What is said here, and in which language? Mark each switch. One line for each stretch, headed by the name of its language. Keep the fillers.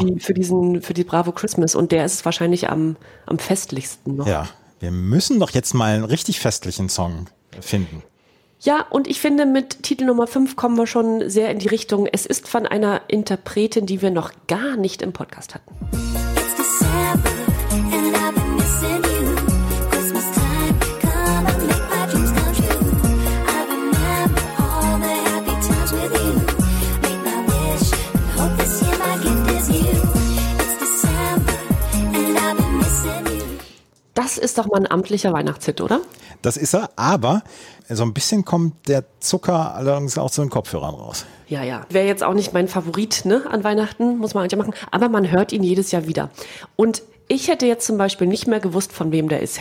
German: für, die, für diesen, für die Bravo Christmas? Und der ist wahrscheinlich am, am festlichsten noch. Ja, wir müssen doch jetzt mal einen richtig festlichen Song finden. Ja, und ich finde, mit Titel Nummer 5 kommen wir schon sehr in die Richtung. Es ist von einer Interpretin, die wir noch gar nicht im Podcast hatten.
English: It's December and I've been missing you. Christmas time, come and make my dreams come true. I remember all the happy times with you. Make my wish and hope this year my gift is you. It's December and I've been missing you.
German: Das ist doch mal ein amtlicher Weihnachtshit, oder? Das ist er, aber so ein bisschen kommt der Zucker allerdings auch zu den Kopfhörern raus. Ja, ja. Wäre jetzt auch nicht mein Favorit ne, an Weihnachten, muss man eigentlich machen. Aber man hört ihn jedes Jahr wieder. Und ich hätte jetzt zum Beispiel nicht mehr gewusst, von wem der ist.